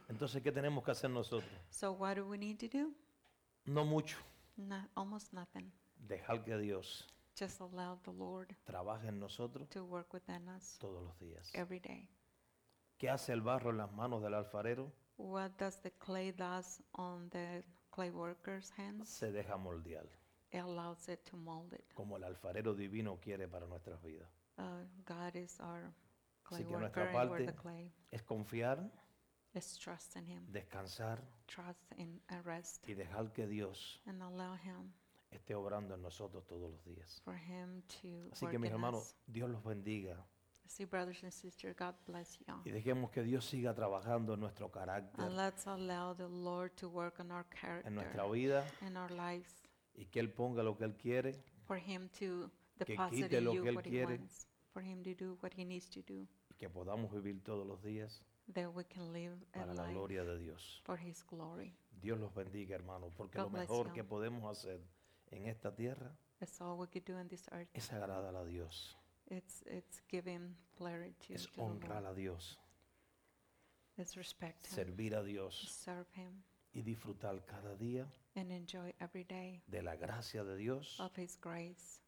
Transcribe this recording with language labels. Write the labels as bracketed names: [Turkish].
[Spanish] Entonces, ¿qué tenemos que hacer nosotros? [English] So what do we need to do? [Spanish] No mucho. [English] No, almost nothing. [Spanish] Dejar que Dios [English] just allow the Lord [Spanish] trabaje en nosotros [English] to work within us [Spanish] todos los días. [English] Every day. [Spanish] ¿Qué hace el barro en las manos del alfarero? [English] What does the clay does on the clay worker's hands? [Spanish] Se deja moldear. [English] It allows it to mold it. [Spanish] Como el alfarero divino quiere para nuestras vidas. [English] God is our clay [Spanish] así [English] worker [Spanish] que nuestra parte [English] and we're the clay. [Spanish] Es confiar. [English] It's trust in Him. [Spanish] Descansar. [English] Trust in and rest. [Spanish] Y dejar que Dios [English] and allow Him [Spanish] esté obrando en nosotros todos los días. [English] For Him to [Spanish] así que mis hermanos, Dios los bendiga. [English] See, brothers and sisters, God bless you. [Spanish] Y dejemos que Dios siga trabajando en nuestro carácter. [English] And let's allow the Lord to work on our character. [Spanish] En nuestra vida. [English] In our lives. [Spanish] Y que Él ponga lo que Él quiere. [English] For Him to deposit [Spanish] que quite [English] in [Spanish] lo [English] you [Spanish] que él [English] what [Spanish] quiere. [English] He wants. for him to do what he needs to do. [Spanish] Y que podamos vivir todos los días [English] that we can live [Spanish] para la gloria de Dios. [English] For his glory. [Spanish] Dios los bendiga, hermanos, porque lo mejor que podemos hacer en esta tierra [English] that's all we could do on this earth. [Spanish] Es agradar a Dios. [English] It's giving glory to [Spanish] es honrar [English] Lord. [Spanish] A Dios. [English] It's respect him. [Spanish] Servir a Dios. [English] Serve him. [Spanish] Y disfrutar cada día [English] and enjoy every day [Spanish] de la gracia de Dios, [English] of his grace,